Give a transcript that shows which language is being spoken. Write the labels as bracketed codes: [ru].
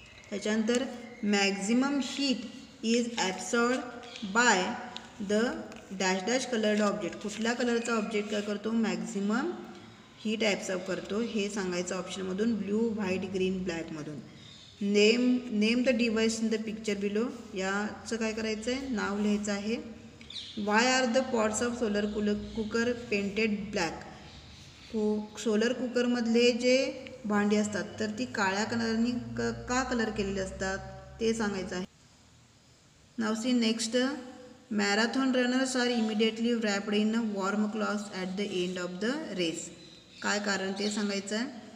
[mr] त्याच्यानंतर [en] maximum heat is absorb by the dash dash coloured object, [mr] कुठल्या कलरचा object काय करतो मॅक्झिमम हीट ॲब्सॉर्ब करतो हे सांगायचं ऑप्शनमधून, blue, white, green, ब्लॅकमधून. [en] name the device in the picture below, [mr] याचं काय करायचं आहे, नाव लिहायचं आहे. [en] Why are the pots of solar cooker painted black? [mr] Solar कुकरमधले जे भांडी असतात तर ती काळ्या कलरनी का कलर केलेले असतात ते सांगायचं आहे. [en] नाव see next, marathon runners are immediately wrapped in a warm cloth at the end of the race, [mr] काय कारण ते सांगायचं आहे.